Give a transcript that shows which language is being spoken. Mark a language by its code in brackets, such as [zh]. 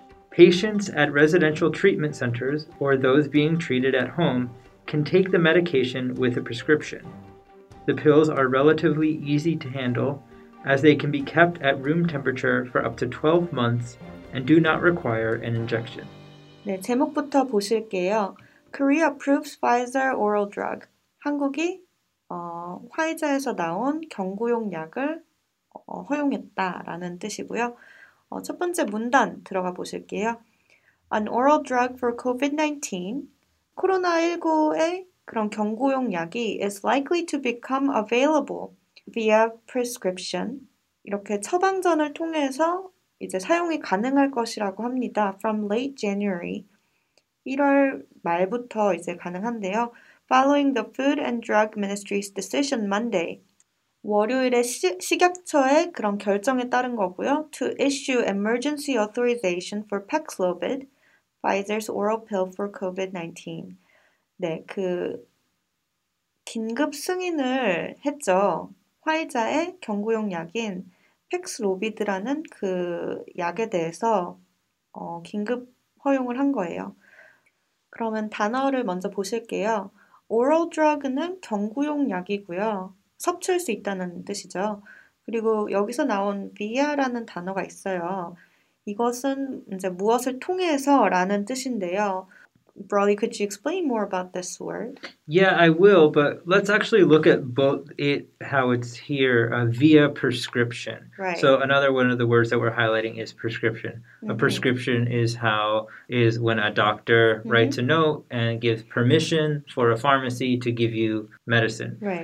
[en] Patients at residential treatment centers or those being treated at home can take the medication with a prescription. The pills are relatively easy to handle as they can be kept at room temperature for up to 12 months and do not require an injection. [ko] 네, 제목부터 보실게요. [en] Korea approves Pfizer oral drug. [ko] 한국이 화이자에서 나온 경구용 약을 허용했다라는 뜻이고요. 첫 번째 문단 들어가 보실게요. [en] An oral drug for COVID-19. [ko] 코로나19에 그런 경구용 약이 [en] is likely to become available via prescription. [ko] 이렇게 처방전을 통해서 이제 사용이 가능할 것이라고 합니다. [en] From late January. [ko] 1월 말부터 이제 가능한데요. [en] Following the Food and Drug Ministry's decision Monday. [ko] 월요일에 식약처의 그런 결정에 따른 거고요. [en] To issue emergency authorization for Paxlovid, Pfizer's oral pill for COVID-19. [ko] 네, 그 긴급 승인을 했죠. 화이자의 경구용 약인 팩슬로비드라는 그 약에 대해서 긴급 허용을 한 거예요. 그러면 단어를 먼저 보실게요. Oral drug는 경구용 약이고요. 섭취할 수 있다는 뜻이죠. 그리고 여기서 나온 via라는 단어가 있어요. 이것은 이제 무엇을 통해서 라는 뜻인데요. [en] Broly, could you explain more about this word? Yeah, I will, but let's actually look at both it, how it's here, via prescription. Right. So another one of the words that we're highlighting is prescription. Mm-hmm. A prescription is when a doctor mm-hmm. writes a note and gives permission for a pharmacy to give you medicine.